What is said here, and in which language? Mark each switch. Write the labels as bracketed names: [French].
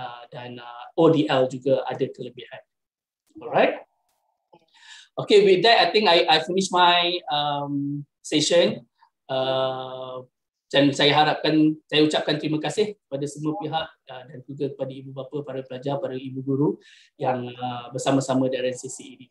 [Malay] Dan ODL juga ada kelebihan. [English] Alright. Okay, with that, I think I finish my session. [Malay] Dan saya harapkan, saya ucapkan terima kasih kepada semua pihak dan juga kepada ibu bapa, para pelajar, para ibu guru yang bersama-sama dari sesi ini.